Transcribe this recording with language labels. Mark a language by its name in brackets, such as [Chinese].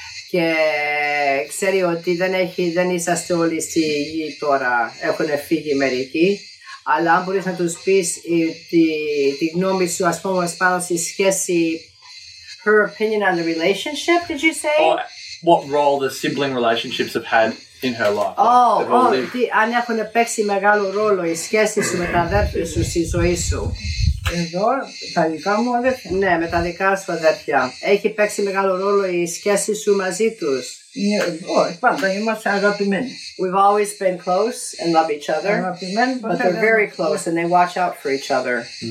[Greek] Και ξέρει ότι δεν είσαστε όλοι στη γη τώρα, έχουν φύγει μερικοί. Αλλά αν μπορείς να τους πεις τη γνώμη σου, ας πούμε, πάνω στη σχέση, [English] her opinion on the relationship, did you say? What role the sibling relationships have had in her life? [Greek] Αν έχουν παίξει μεγάλο ρόλο η σχέση σου με τα αδέρφια σου στη ζωή σου. Εδώ, τα δικά μου αδέρφια. Ναι, με τα δικά σου αδέρφια. Έχει παίξει μεγάλο ρόλο η σχέση σου μαζί τους. Πάντα είμαστε αγαπημένοι. [English] We've always been close and love each other. [Greek] Αγαπημένοι, [English] but they're very close and they watch out for each other.